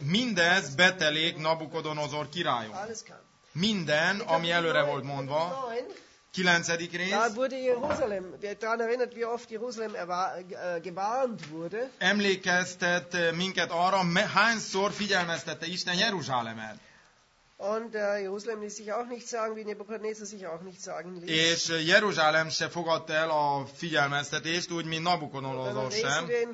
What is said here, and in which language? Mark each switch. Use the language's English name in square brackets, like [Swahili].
[Hungarian] Mindez betelék Nabukodonozor királyon. Minden, ami előre volt mondva. 9. rész. [German] Da wurde Jerusalem, daran erinnert, wie oft Jerusalem gewarnt wurde. [Hungarian] Emlékeztet minket arra, hányszor figyelmeztette Isten Jeruzsálemet. [German] Und Jerusalem ließ sich auch nicht sagen, wie Nebukadnezar sich auch nicht sagen ließ. [Hungarian] És Jeruzsálem se fogadta el a figyelmeztetést, úgy, mint Nabukodonozor sem.